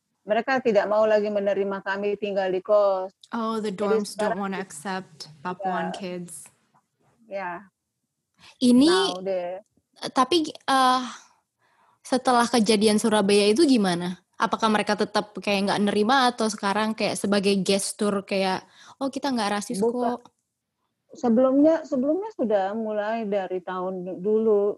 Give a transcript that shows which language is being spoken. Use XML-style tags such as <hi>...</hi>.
<id>Mereka tidak mau lagi menerima kami tinggal di kos.</id> <en>Oh, the dorms don't want to accept Papuan kids. Yeah.</en> <id>Ini, tapi setelah kejadian Surabaya itu gimana? Apakah mereka tetap kayak nggak nerima atau sekarang kayak sebagai gestur kayak, oh kita nggak rasis kok? Sebelumnya sudah mulai dari tahun dulu.</id>